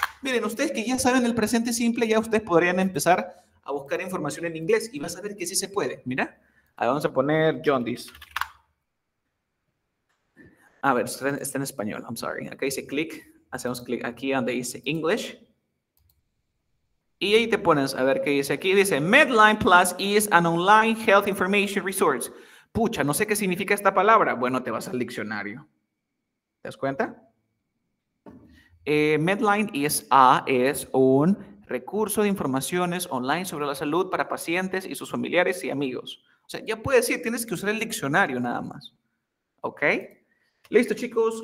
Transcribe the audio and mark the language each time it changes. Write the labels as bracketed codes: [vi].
[es] Miren, ustedes que ya saben el presente simple, ya ustedes podrían empezar a buscar información en inglés y vas a ver que sí se puede. Mira, ahí vamos a poner jaundice. A ver, está en español, [en] I'm sorry. [es] Acá dice click, hacemos click aquí donde dice English. Y ahí te pones, a ver qué dice aquí. Dice, [en] Medline Plus is an online health information resource. [es] Pucha, no sé qué significa esta palabra. Bueno, te vas al diccionario. ¿Te das cuenta? Medline es un recurso de informaciones online sobre la salud para pacientes y sus familiares y amigos. O sea, ya puedes ir, tienes que usar el diccionario nada más. ¿Ok? Listo, chicos.